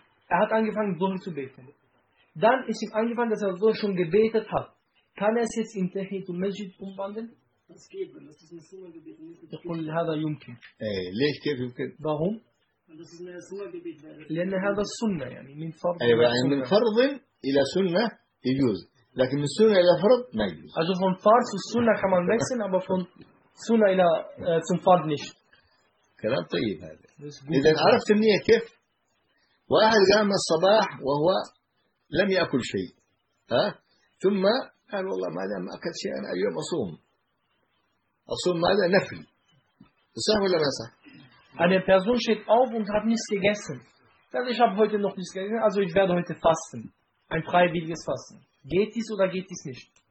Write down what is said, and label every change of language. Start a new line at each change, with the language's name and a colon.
German: er hat angefangen الظهر zu beten. Dann ist ihm angefangen, dass er الظهر schon gebetet hat. Kann er es jetzt in Tahiyyat al-Masjid umwandeln? Das geht, weil das ist eine Sunna-Gebet.
Arabic: يقول هذا يمكن. إيه ليش كيف يمكن؟
German: Warum? Weil das ist eine Sunna-Gebet.
Arabic: لأن هذا السنة يعني من فرض. أيوة يعني من فرض إلى سنة يجوز. لكن من السنة إلى فرض ما يجوز.
German: Also von Fars zu Sunna kann man wechseln, aber von Sunna
Arabic: إلى
German: zum Fard nicht.
Arabic: كلام طيب هذا. إذا عرفت النية كيف؟ واحد قام الصباح وهو لم يأكل شيء، ها؟ ثم قال والله ما دام أكل شيء أنا اليوم أصوم. أصوم ماذا؟ نفل. صح ولا ما صح؟
German: Eine Person steht auf und hat nichts gegessen. Also ich habe heute noch nichts gegessen, also ich werde heute fasten. Ein freiwilliges Fasten. Geht dies oder geht dies nicht?